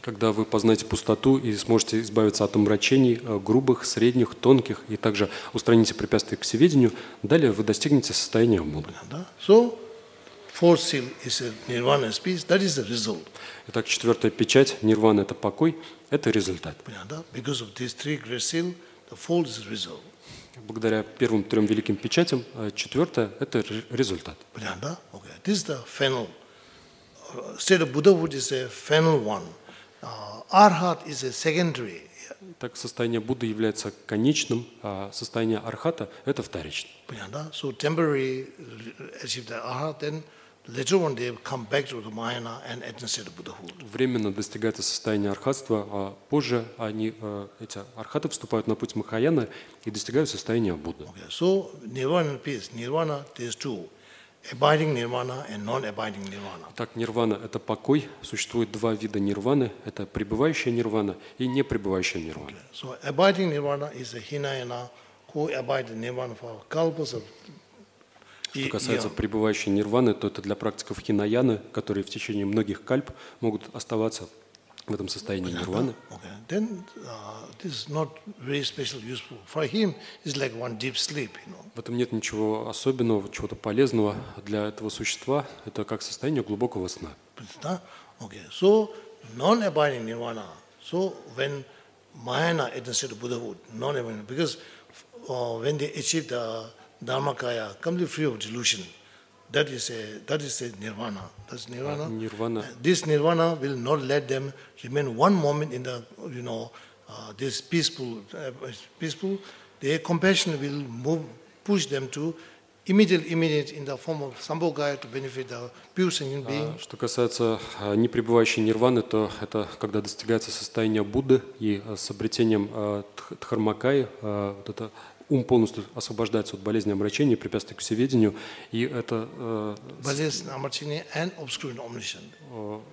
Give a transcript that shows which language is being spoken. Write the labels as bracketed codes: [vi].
[ru] Когда вы познаете пустоту и сможете избавиться от омрачений грубых, средних, тонких, и также устраните препятствия к всеведению, далее вы достигнете состояния Будды. [en] So, fourth seal is nirvana, peace. That is the result. [ru] Итак, четвертая печать нирвана – это покой, это результат. [en] Because of these three great seal, the fourth is result. [ru] Благодаря первым трем великим печатям четвертая – это результат. [en] Okay. This is the final. State of Buddhahood is a final one. Arhat is a secondary. [ru] Так состояние Будды является конечным, а состояние Архата это вторичное. Понятно? [en] So temporary achieve the Arhat, then later on they come back to the Mahayana and attain state of Buddhahood. [ru] Временно достигается состояние Архатства, а позже они эти Архаты вступают на путь Махаяны и достигают состояния Будды. [en] Okay. So Nirvana peace. Nirvana there's two. Abiding nirvana and non-abiding nirvana. [ru] Так, нирвана – это покой. Существует два вида нирваны. Это пребывающая нирвана и непребывающая нирвана. [en] Okay. So, abiding nirvana is a hinayana who abide nirvana for kalpas of... [ru] Что касается пребывающей нирваны, то это для практиков хинаяны, которые в течение многих кальп могут оставаться в этом состоянии нирваны. [en] Okay. Then, this is not very special, useful. For him, it's like one deep sleep, you know. [ru] В этом нет ничего особенного, чего-то полезного для этого существа. Это как состояние глубокого сна. [en] Okay. So, non-abiding nirvana. So, when Mahayana attains to Buddhahood, non-abiding, because when they achieve the Dharmakaya, completely free of delusion, That is a nirvana. That's nirvana. Nirvana. This nirvana will not let them remain one moment in the, you know, this peaceful. Their compassion will move, push them to immediate in the form of sambhogaya to benefit the pure sentient being. [ru] Что касается непребывающей нирваны, то это когда достигается состояние Будды и с обретением дхармакаи, вот это. Ум полностью освобождается от болезни омрачения, препятствий к всеведению, и это... Болезнь омрачения [en] and obscuring omniscience.